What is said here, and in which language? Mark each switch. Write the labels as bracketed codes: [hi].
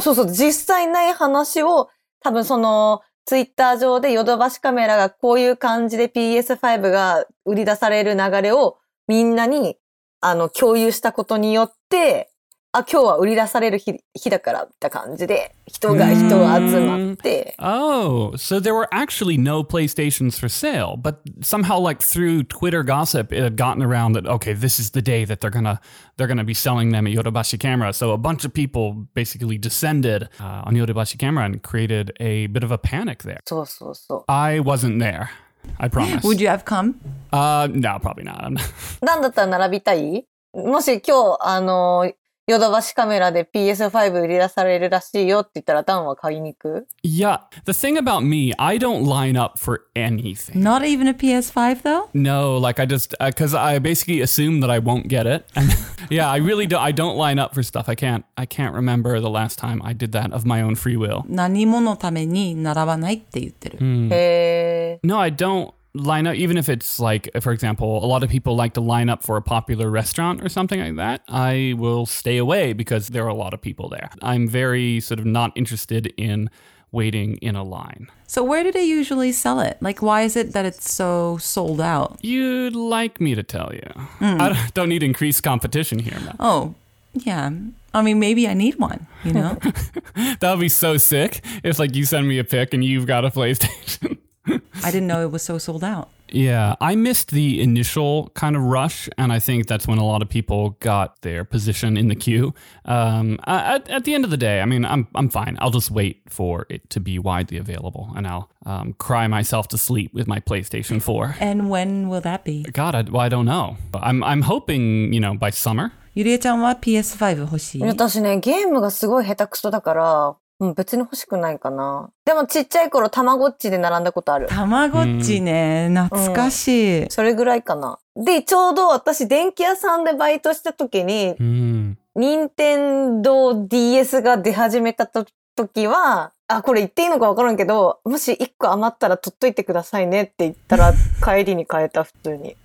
[ja] そうそう実際ない話を多分そのツイッター上でヨドバシカメラがこういう感じで PS5 が売り出される流れをみんなにあの共有したことによってあ、今日は売り出される日だからって感じで人が人を集まって。 [en] Oh, so there were actually no PlayStations for sale, but somehow like through Twitter gossip, it had gotten around that okay, this is the day that they're gonna be selling them at Yodobashi Camera. So a bunch of people basically descended on Yodobashi Camera and created a bit of a panic there. [ja] そうそうそう。 [en] I wasn't there. I promise. Would you have come? No, probably not. [ja] 何だったら並びたい？もし今日あの。ヨドバシカメラで PS5 売り出されるらしいよって言ったらダンは買いに行く? [en] Yeah, the thing about me, I don't line up for anything. Not even a PS5 though? No, like I just, because I basically assume that I won't get it. And, yeah, I really don't, I don't line up for stuff. I can't remember the last time I did that of my own free will. [ja] 何者のために並ばないって言ってる。 [en] No, I don't, line up, even if it's like, for example, a lot of people like to line up for a popular restaurant or something like that, I will stay away because there are a lot of people there. I'm very sort of not interested in waiting in a line. So where do they usually sell it? Like, why is it that it's so sold out? You'd like me to tell you. Mm. I don't need increased competition here. But. Oh, yeah. I mean, maybe I need one, you know? That would be so sick if, like, you send me a pic and you've got a PlayStation. I didn't know it was so sold out. Yeah, I missed the initial kind of rush, and I think that's when a lot of people got their position in the queue. At the end of the day, I mean, I'm fine. I'll just wait for it to be widely available, and I'll cry myself to sleep with my PlayStation 4. And when will that be? God, I don't know. I'm hoping, you know, by summer. [ja] ゆりえちゃんは PS5 欲しい？私ね、ゲームがすごい下手くそだから、もう別に欲しくないかな。でもちっちゃい頃たまごっちで並んだことある。たまごっちね、懐かしい、うん。それぐらいかな。で、ちょうど私電気屋さんでバイトした時に、任天堂 DS が出始めた時は、あ、これ言っていいのか分からんけど、もし1個余ったら取っといてくださいねって言ったら帰りに買えた、普通に。